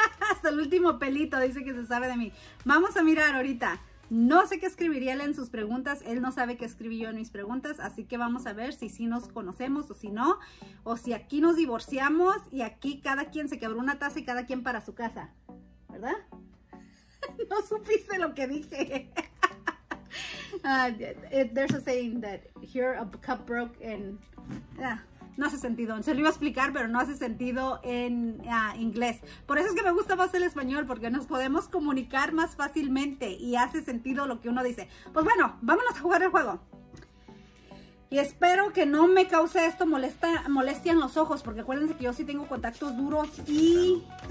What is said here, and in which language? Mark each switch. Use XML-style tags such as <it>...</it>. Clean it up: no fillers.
<es>Hasta el último pelito dice que se sabe de mí. Vamos a mirar ahorita. No sé qué escribiría él en sus preguntas. Él no sabe qué escribí yo en mis preguntas. Así que vamos a ver si nos conocemos o si no. O si aquí nos divorciamos y aquí cada quien se quebró una taza y cada quien para su casa. ¿Verdad? No supiste lo que dije.</es> <en>There's a saying that here a cup broke and...</en> <es>No hace sentido. Se lo iba a explicar, pero no hace sentido en inglés. Por eso es que me gusta más el español, porque nos podemos comunicar más fácilmente y hace sentido lo que uno dice. Pues bueno, vámonos a jugar el juego. Y espero que no me cause esto molestia en los ojos, porque acuérdense que yo sí tengo contactos duros y...</es>